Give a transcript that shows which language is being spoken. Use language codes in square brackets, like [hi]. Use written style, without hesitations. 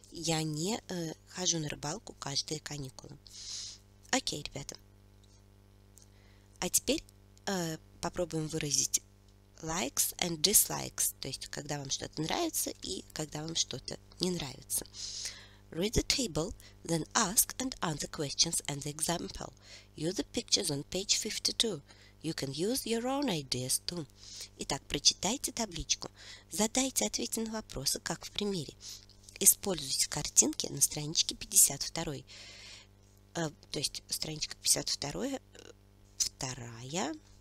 [ru] Я не хожу на рыбалку каждые каникулы. Окей, ребята. А теперь попробуем выразить [en] likes and dislikes. [ru] То есть, когда вам что-то нравится и когда вам что-то не нравится. [en] Read the table, then ask and answer questions and the example. Use the pictures on page 52. You can use your own ideas too. [ru] Итак, прочитайте табличку. Задайте ответы на вопросы, как в примере. Используйте картинки на страничке 52. То есть, страничка 52. Вторая.